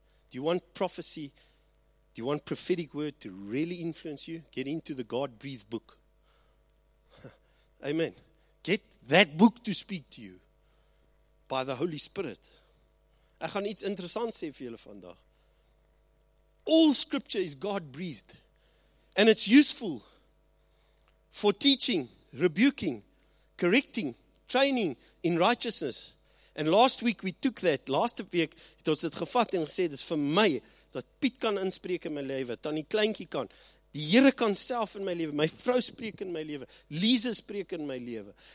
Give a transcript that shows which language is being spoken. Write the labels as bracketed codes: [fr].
[en] Do you want prophecy? Do you want prophetic word to really influence you? Get into the God-breathed book. Amen. Get that book to speak to you by the Holy Spirit. [af] Ek gaan iets interessant sê vir julle vandag. [en] All scripture is God-breathed. And it's useful for teaching, rebuking, correcting, training in righteousness. And last week we took that. [af] Laaste week het ons dit gevat en gesê, dis vir my, dat Piet kan inspreek in my lewe, Tannie Kleintjie kan, die Here kan self in my lewe, my vrou spreek in my lewe, Lise spreek in my lewe.